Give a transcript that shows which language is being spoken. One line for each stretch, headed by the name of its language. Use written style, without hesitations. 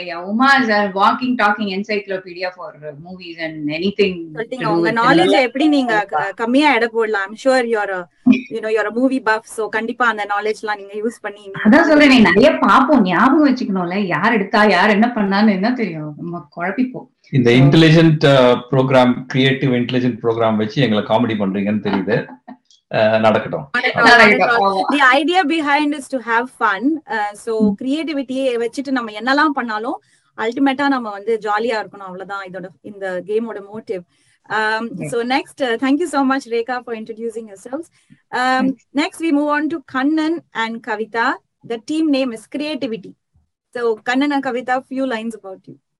English: Uma is a walking talking encyclopedia for movies and anything.
Tamil: Knowledge எப்படி நீங்க கம்மியா எட போடலாம்.
English: I'm sure you're a, you know, you're a movie buff, so
Tamil: கண்டிப்பா அந்த knowledge எல்லாம் நீங்க யூஸ் பண்ணி. அதான் சொல்றேன், நிறைய பாப்போம், ஞாபகம் வச்சுக்கணும்ல, யார் எடுத்தா யார் என்ன பண்ணான்னு என்ன தெரியும், நம்ம குழப்பிப்போம். இந்த intelligent program, creative intelligent program வச்சு எங்களை காமெடி பண்றீங்கன்னு தெரியுது.
English: The idea behind is to have fun.
Tamil: So creativity வச்சிட்டு நம்ம என்னலாம் பண்ணாலும் அல்டிமேட்டா நம்ம வந்து ஜாலியா இருக்கணும், அவ்வளவுதான் இதோட இந்த கேமோட motive.
English: So next, thank you so much Rekha for introducing yourselves. Next we move on to Kannan and Kavita. The team name is creativity. So Kannan and Kavita, few lines about you.